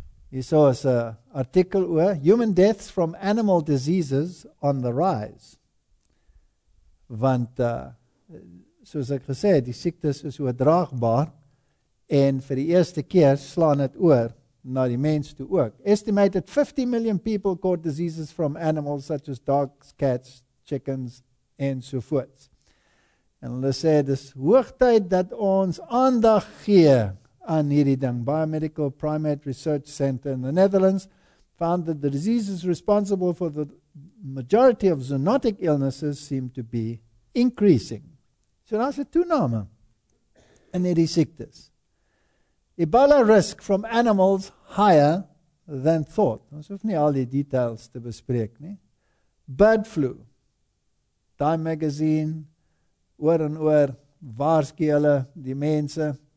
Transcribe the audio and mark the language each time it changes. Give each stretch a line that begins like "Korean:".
Afrikaans: Hier so is 'n artikel oor
English: human deaths from animal diseases on the rise.
Afrikaans: Want, soos ek gesê, die siektes is oordraagbaar en vir die eerste keer slaan het oor na die mens toe ook.
English: Estimated 50 million people caught diseases from animals such as dogs, cats, chickens and so forth.
Afrikaans: En hulle sê dis hoogtyd dat ons aandag gee aan hierdie ding.
English: Biomedical Primate Research Center in the Netherlands found that the diseases responsible for the majority of zoonotic illnesses seem to be increasing.
Afrikaans: So daar's 'n toename in hierdie siektes.
English: Ebola risk from animals higher than thought.
Afrikaans: Ons hoef nie al die details te bespreek nie.
English: Bird flu.
Afrikaans: Time magazine oor en oor waarsku hulle die mense.